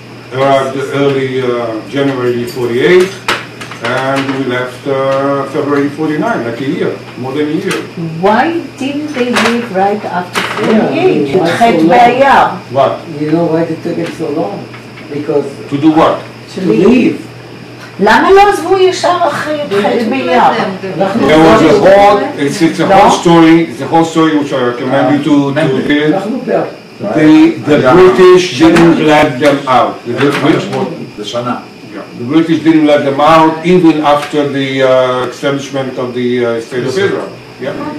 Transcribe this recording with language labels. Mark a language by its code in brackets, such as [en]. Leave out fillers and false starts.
[en] Arrived early January 48 And we left February 49, like a year, more than a year. Why didn't they leave right after 48? Yeah, what? You know why they took it so long? Because... To do what? To leave. [he] למה לא עזבו ישר אחרי חד מיאר? [en] There was a whole, it's a whole story, it's a whole story which I recommend you to hear. The British didn't let them out. The British the Shana. The British didn't let them out even after the establishment of the State of Israel. Yeah.